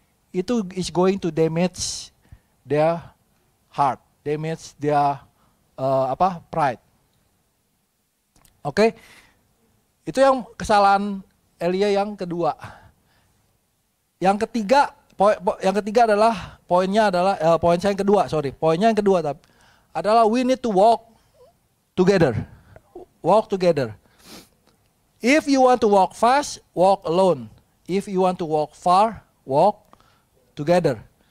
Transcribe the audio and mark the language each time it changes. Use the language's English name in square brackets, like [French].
[English] Itu is going to damage their heart, damage their pride. [Indonesian] Oke, itu yang kesalahan Elia yang kedua. Yang ketiga, poinnya yang kedua tapi adalah [English] we need to walk together. Walk together. If you want to walk fast, walk alone. If you want to walk far, walk together.